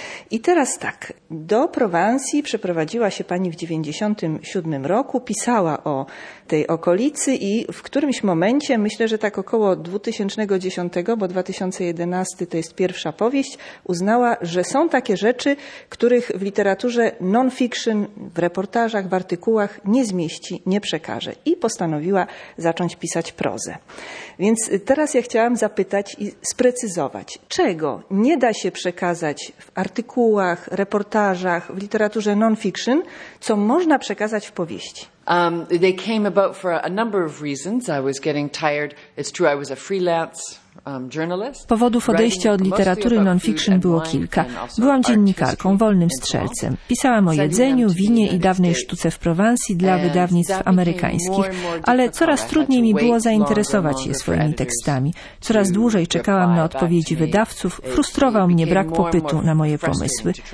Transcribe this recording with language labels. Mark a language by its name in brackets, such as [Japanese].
[Polish] I teraz tak, do Prowansji przeprowadziła się pani w 1997 roku, pisała o tej okolicy i w którymś momencie, myślę, że tak około 2010, bo 2011 to jest pierwsza powieść, uznała, że są takie rzeczy, których w literaturze non-fiction, w reportażach, w artykułach nie zmieści, nie przekaże. I postanowiła zacząć pisać prozę. Więc teraz ja chciałam zapytać i sprecyzować, czego nie da się przekazać w artykułach, reportażach, w literaturze non-fiction, co można przekazać w powieści. [English] They came about for a number of reasons. I was getting tired. It's true, I was a freelance. [Polish] Powodów odejścia od literatury non-fiction było kilka. Byłam dziennikarką, wolnym strzelcem. Pisałam o jedzeniu, winie i dawnej sztuce w Prowansji dla wydawnictw amerykańskich, ale coraz trudniej mi było zainteresować je swoimi tekstami. Coraz dłużej czekałam na odpowiedzi wydawców, frustrował mnie brak popytu na moje pomysły.